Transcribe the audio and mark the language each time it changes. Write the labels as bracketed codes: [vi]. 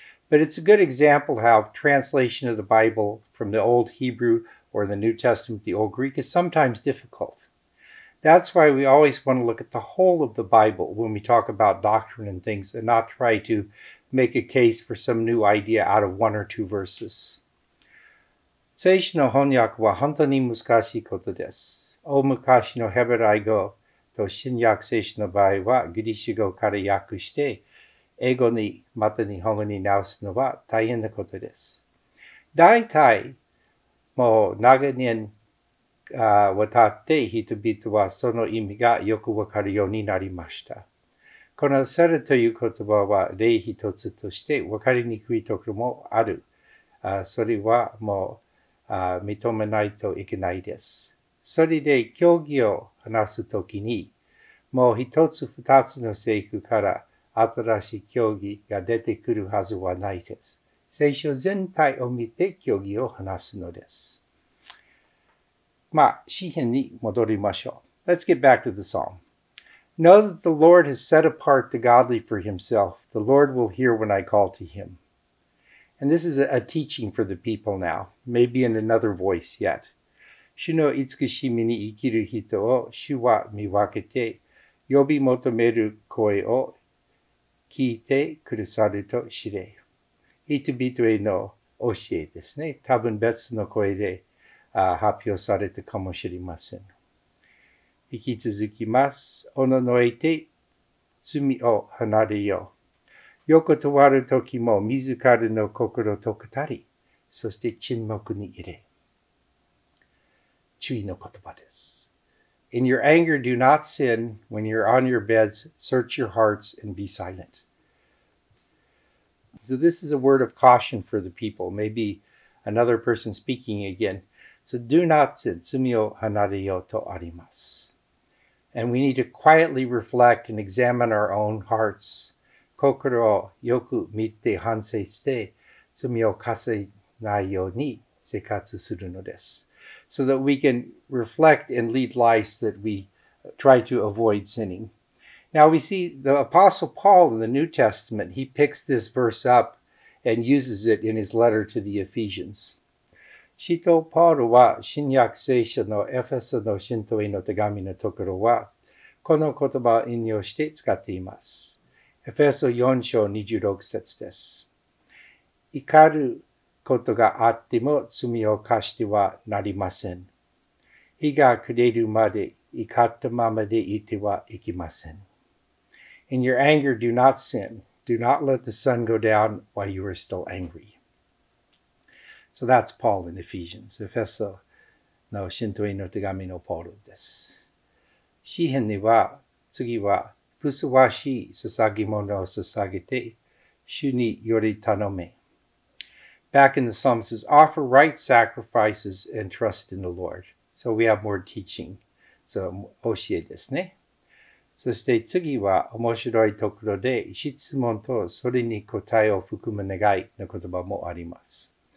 [en] But it's a good example how translation of the Bible from the Old Hebrew or the New Testament, the Old Greek, is sometimes difficult. That's why we always want to look at the whole of the Bible when we talk about doctrine and things and not try to make a case for some new idea out of one or two verses. [ja] 聖書の翻訳は本当に難しいことです。大昔のヘブライ語と新約聖書の場合はギリシャ語から訳して、英語にまた日本語に直すのは大変なことです。大体、もう長年渡って人々はその意味がよくわかるようになりました。このセラという言葉は例一つとして分かりにくいところもある。それはもう認めないといけないです。それで教義を話すときに、もう一つ二つの聖句から新しい教義が出てくるはずはないです。聖書全体を見て教義を話すのです。まあ、詩編に戻りましょう。 [en] Let's get back to the psalm. Know that the Lord has set apart the godly for himself. The Lord will hear when I call to him. And this is a teaching for the people now, maybe in another voice yet. [ja] 主の慈しみに生きる人を主は見分けて、呼び求める声を聞いてくださると知れ。人々への教えですね。多分別の声で発表されたかもしれません。引き続きます。おののえて罪を離れよう。よくとわるときも自らの心と語り、そして沈黙に入れ。注意の言葉です。 [en] In your anger, do not sin. When you're on your beds, search your hearts and be silent. So this is a word of caution for the people. Maybe another person speaking again. So do not sin. [ja] 罪を離れようとあります。 [en] And we need to quietly reflect and examine our own hearts. [ja] 心をよく見て反省して、罪を犯せないように生活するのです。 [en] So that we can reflect and lead lives that we try to avoid sinning. Now we see the Apostle Paul in the New Testament, he picks this verse up and uses it in his letter to the Ephesians. [ja] 使徒パウロは新約聖書のエフェソの信徒への手紙のところはこの言葉を引用して使っています。エフェソ4章26節です。怒ることがあっても罪を犯してはなりません。日が暮れるまで怒ったままでいてはいけません。 [en] In your anger, do not sin. Do not let the sun go down while you are still angry. So that's Paul in Ephesians. [ja] エフェソの信徒への手紙のパウロです。詩編には次はふさわしい捧げ物を捧げて主により頼め。 [en] Back in the psalm says, offer right sacrifices and trust in the Lord. So we have more teaching. [ja] So 教えですね。そして次は面白いところで質問とそれに答えを含む願いの言葉もあります。